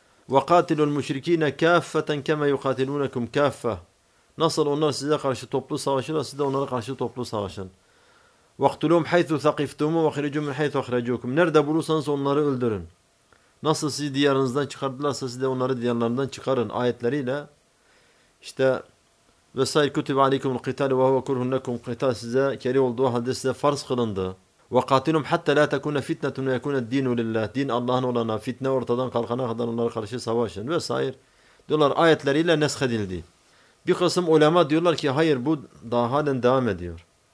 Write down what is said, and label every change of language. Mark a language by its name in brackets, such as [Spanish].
[Arabic] وَقَاتِلُوا الْمُشْرِك۪ينَ كَافَّةً كَمَا يُقَاتِلُونَكُمْ كَافَّةً. [Turkish] Nasıl onlar size karşı toplu savaşır, siz de onlara karşı toplu savaşın. [Arabic] وَقْتُلُوهُمْ حَيْثُ ثَقِفْتُمُوا وَخْرِجُوا مِنْ حَيْثُ أَخْرَجُوكُمْ. [Turkish] Nerede bulursanız onları öldürün. Nasıl sizi diyarınızdan çıkardılarsa siz de onları diyarlarından çıkarın ayetleriyle. İşte [Arabic] وَسَائِرُ كُتِبَ عَلَيْكُمُ الْقِتَالُ وَهُوَ كُرْهٌ لَكُمْ. [Turkish] Kıtal size kerih olduğu halde size farz kılındı. [Arabic] وَقَاتِلُهُمْ حَتَّى لَا تَكُونَ فِتْنَةٌ وَيَكُونَ الدِّينُ لِلَّهِ. [Turkish] Din Allah'ın olana, fitne ortadan kalkana kadar onlara karşı savaşın vesaire. Diyorlar ayetleriyle neshedildi. Bir kısım ulema diyorlar ki hayır bu daha halen devam ediyor.